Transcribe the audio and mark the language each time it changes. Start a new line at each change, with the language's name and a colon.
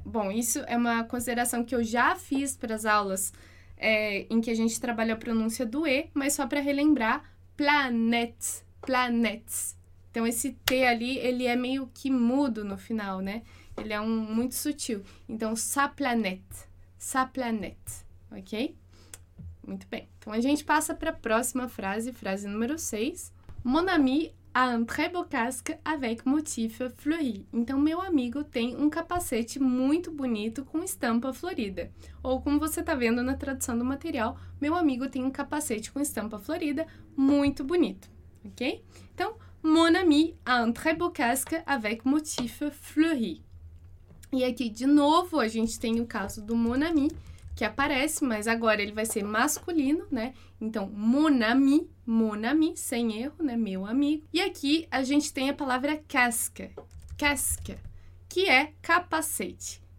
Portuguese: Bom, isso é uma consideração que eu já fiz para as aulas em que a gente trabalha a pronúncia do E, mas só para relembrar: planète, planètes. Então, esse T ali, ele é meio que mudo no final, né? Ele é muito sutil. Então, sa planète, ok? Muito bem. Então a gente passa para a próxima frase, frase número 6.
French: Mon ami a un très beau casque avec motif fleuri.
Portuguese: Então, meu amigo tem um capacete muito bonito com estampa florida. Ou, como você está vendo na tradução do material, meu amigo tem um capacete com estampa florida muito bonito, ok? Então,
French: mon ami a un très beau casque avec motif fleuri.
Portuguese: E aqui, de novo, a gente tem o caso do mon ami, que aparece, mas agora ele vai ser masculino, né? Então, mon ami, sem erro, né? Meu amigo. E aqui a gente tem a palavra casque, casque, que é capacete.